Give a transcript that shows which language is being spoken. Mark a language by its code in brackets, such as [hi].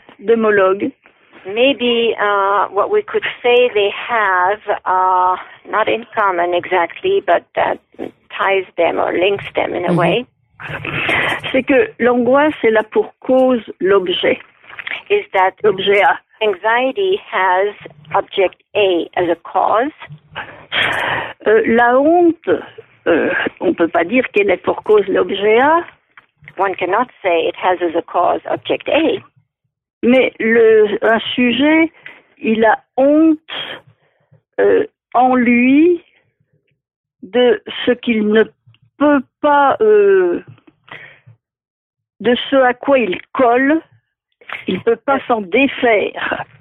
[en] Maybe what we could say they have are not in common exactly, but that ties them or links them in a way. [fr] C'est que l'angoisse est là pour cause l'objet. [en] Is that l'objet A. Anxiety has object A as a cause. [fr] La honte, on peut pas dire qu'elle est pour cause l'objet A. [en] One cannot say it has as a cause object A. [fr] Mais un sujet, il a honte en lui de ce qu'il ne peut pas, de ce à quoi il colle, il ne peut pas s'en défaire.